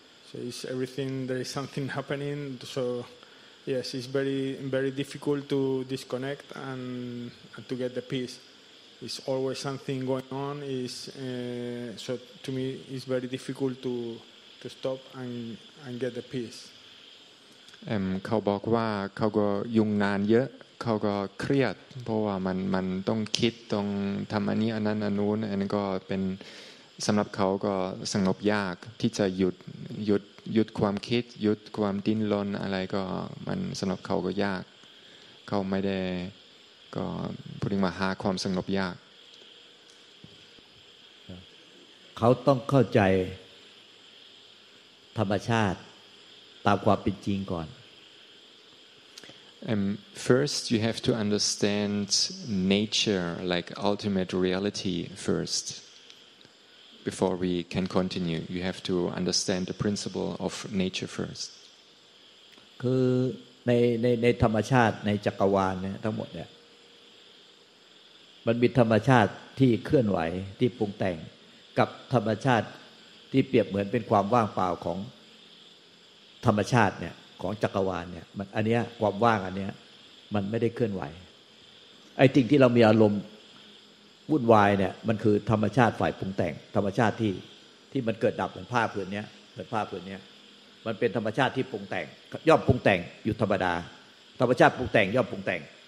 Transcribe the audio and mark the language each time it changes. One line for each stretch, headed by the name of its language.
English: So it's everything, there is something happening, so yes, it's very, very difficult to disconnect and to get the peace. It's always something going on. So to me, it's very difficult to stop and get the peace.
Thai: เขาบอกว่าเขาก็ยุ่งงานเยอะเขาก็เครียดเพราะว่ามันต้องคิดต้องทำอันนี้อันนั้นอันนู้นอันนั้นก็เป็นสำหรับเขาก็สงบยากที่จะหยุดความคิดหยุดความดิ้นรนอะไรก็มันสำหรับเขาก็ยากเขาไม่ได้ก็พูดถึงมาหาความสงบยาก เขาต้องเข้าใจธรรมชาติตามความเป็นจริงก่อน
English: First, you have to understand nature, like ultimate reality first. Before we can continue, you have to understand the principle of nature first.
Thai: คือในธรรมชาติในจักรวาลเนี่ยทั้งหมดเนี่ยมันมีธรรมชาติที่เคลื่อนไหวที่ปรุงแต่งกับธรรมชาติที่เปรียบเหมือนเป็นความว่างเปล่าของ ธรรมชาติเนี่ยของจักรวาลเนี่ยมันอันเนี้ยความว่างอันเนี้ยมันไม่ได้เคลื่อนไหวไอ้สิ่งที่เรามีอารมณ์วุ่นวายเนี่ยมันคือธรรมชาติฝ่ายปรุงแต่งธรรมชาติที่มันเกิดดับเหมือนผ้าผืนเนี้ยเหมือนผ้าผืนเนี้ยมันเป็นธรรมชาติที่ปรุงแต่งย่อมปรุงแต่งอยู่ธรรมดาธรรมชาติปรุงแต่งย่อมปรุงแต่ง